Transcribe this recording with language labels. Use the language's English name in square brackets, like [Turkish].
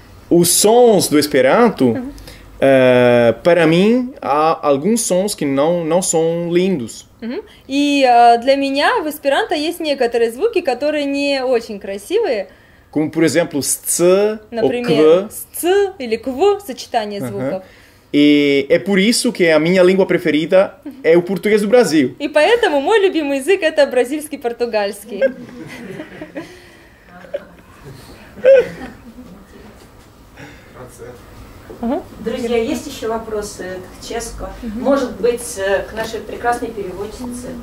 [Portuguese] Os sons do Esperanto, para mim, há alguns sons que não são lindos. [Russian] E для меня в Esperanto есть некоторые звуки, которые не очень красивые. [Portuguese] Como, por exemplo, ц ou к. [Russian] Например, ц или к, сочетание звуков. [Portuguese] E é por isso que a minha língua preferida é o português do Brasil. [Russian] E поэтому мой любимый язык это бразильский португальский. Друзья, есть еще вопросы к Ческо? Может быть, к нашей прекрасной переводчице?